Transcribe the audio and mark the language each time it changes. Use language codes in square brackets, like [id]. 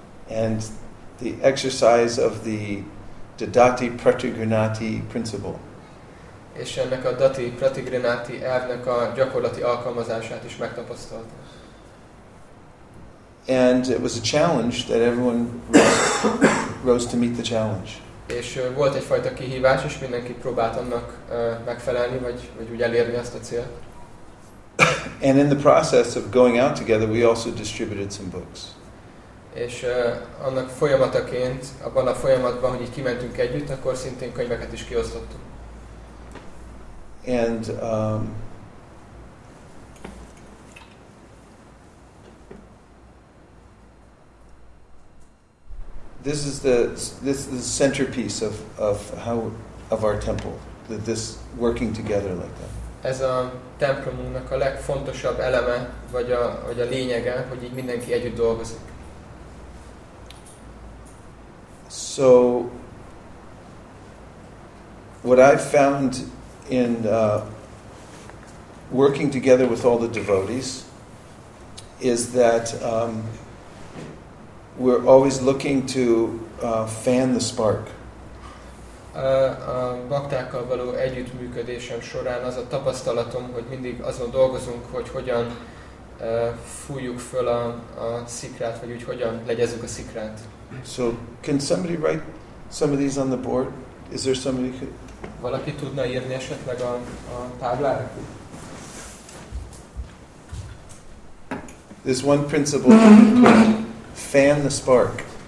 [en] And the exercise of the Dadati Pratigrinati principle. [hu] És ennek a Dadati Pratigrinati elvnek a gyakorlati alkalmazását is megtapasztalta. [en] And it was a challenge that everyone rose to meet the challenge. [hu] És volt egyfajta kihívás, és mindenki próbált annak megfelelni, vagy úgy elérni azt a célt. [en] And in the process of going out together, we also distributed some books. [hu] És annak folyamataként, abban a folyamatban, hogy így kimentünk együtt, akkor szintén könyveket is kiosztottunk. [en] And this is the centerpiece of our temple, that this working together like that. [hu] Ez a templomunknak a legfontosabb eleme, vagy a lényege, hogy így mindenki együtt dolgozik. [en] So what I found in working together with all the devotees is that we're always looking to fan the spark. [hu] A baktákkal való együttműködésem során az a tapasztalatom, hogy mindig azon dolgozunk, hogy hogyan fújjuk föl a szikrát, vagy úgy hogyan legyezünk a szikrát. [en] So, can somebody write some of these on the board? Is there somebody who... [hu] Valaki tudna írni esetleg a táblára? [en] this one principle that you put, fan the spark.